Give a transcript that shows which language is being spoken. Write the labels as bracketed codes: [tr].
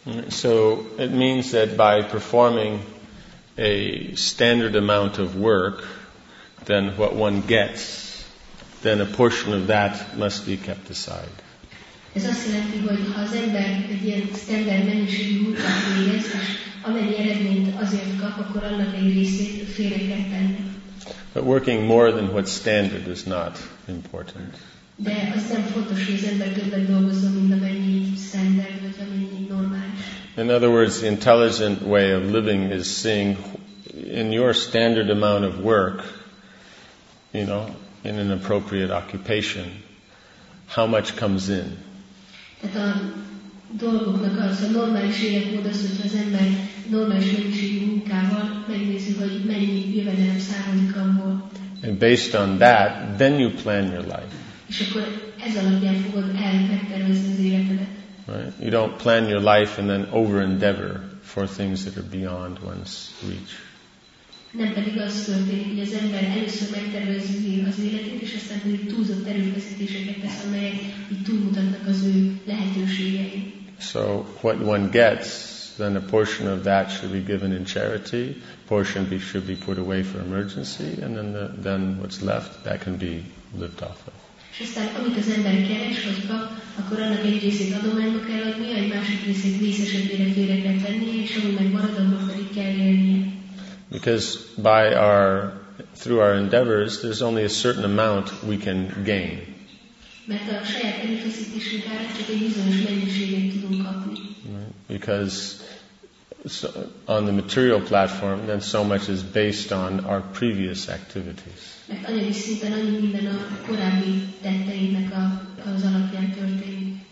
[en] So it means that by performing a standard amount of work, then what one gets, then a portion of that must be kept aside. [hu] Ez azt jelenti, hogy ha az ember egy ilyen standard mennyiségű munkát végez, amennyi eredményt azért kap, akkor annak egy részét félre kell tenni. [en] But working more than what standard is not important. [hu] De az nem fontos, hogy az ember többet dolgozzon, mint amennyi standard, vagy amennyi normális. [en] In other words, the intelligent way of living is seeing in your standard amount of work, you know, in an appropriate occupation, how much comes in. [hu] Tehát a dolgoknak az a normális életmód az, hogyha az ember normális mennyiségű munkával megnézi, hogy mennyi jövedelem származik abból. [en] And based on that, then you plan your life. [hu] És akkor ez alapján fogod megtervezni az életedet. [en] Right? You don't plan your life and then over-endeavor for things that are beyond one's reach. [hu] Nem pedig az történik, hogy az ember először megtervezi az életét, és aztán pedig túlzott erőfeszítéseket tesz, amelyek így túlmutatnak az ő lehetőségei. [en] So what one gets, then a portion of that should be given in charity, portion be, should be put away for emergency, and then the, then what's left, that can be lived off of. [hu] És aztán amit az ember keres, vagy kap, akkor annak egy részét adományba kell adni, egy másik részét víz esetére félre kell tenni, és ami meg marad, annak pedig kell élnie. [en] Because by our, through our endeavors, there's only a certain amount we can gain. [hu] Mert a saját erőfeszítésünk árán csak egy bizonyos mennyiséget tudunk kapni. [en] Because so on the material platform, then so much is based on our previous activities. [hu] Mert anyagi szinten annyi minden a korábbi tetteinknek az alapján történik.